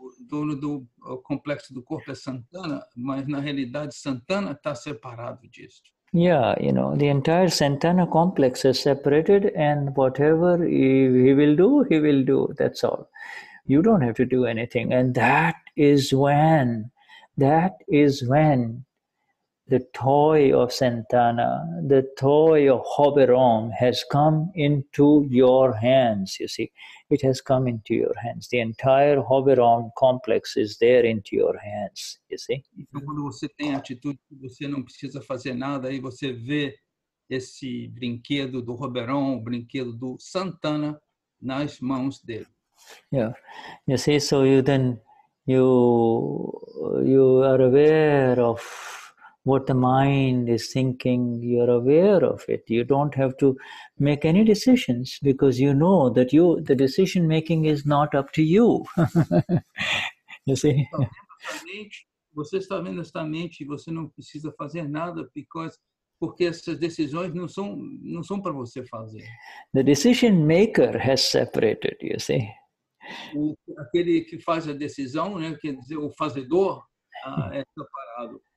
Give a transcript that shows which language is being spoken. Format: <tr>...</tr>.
<pt>Dono do complexo do corpo é Santana, mas na realidade Santana está separado disso.</pt> <en>Yeah, you know, the entire Santana complex is separated, and whatever he will do, he will do. That's all. You don't have to do anything. And that is when the toy of Santana, the toy of Hoberom has come into your hands, you see. It has come into your hands. The entire Hoberom complex is there into your hands, you see.</en> <pt>Então, quando você tem atitude, você não precisa fazer nada, aí você vê esse brinquedo do Hoberom, o brinquedo do Santana nas mãos dele.</pt> <en>Yeah, you see, so you are aware of what the mind is thinking, you're aware of it. You don't have to make any decisions because you know that the decision making is not up to you. You see?</en> <pt>Você está vendo esta mente e você não precisa fazer nada porque essas decisões não são para você fazer.</pt> <en>The decision maker has separated, you see?</en> <pt>Aquele que faz a decisão, né, quer dizer, o fazedor, é separado.</pt>